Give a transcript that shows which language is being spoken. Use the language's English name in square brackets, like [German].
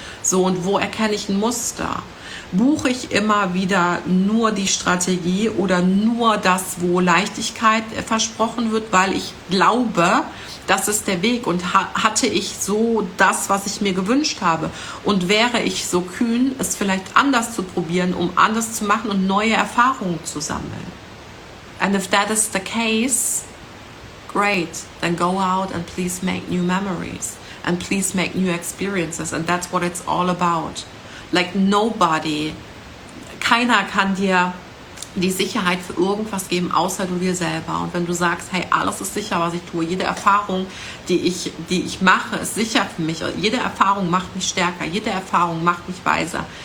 [German] So, und wo erkenne ich ein Muster? Buche ich immer wieder nur die Strategie oder nur das, wo Leichtigkeit versprochen wird, weil ich glaube, das ist der Weg und hatte ich so das, was ich mir gewünscht habe und wäre ich so kühn, es vielleicht anders zu probieren, um anders zu machen und neue Erfahrungen zu sammeln. [English] And if that is the case, great, then go out and please make new memories and please make new experiences and that's what it's all about. Like nobody, [German] keiner kann dir die Sicherheit für irgendwas geben, außer du dir selber. Und wenn du sagst, hey, alles ist sicher, was ich tue, jede Erfahrung, die ich mache, ist sicher für mich. Jede Erfahrung macht mich stärker, jede Erfahrung macht mich weiser.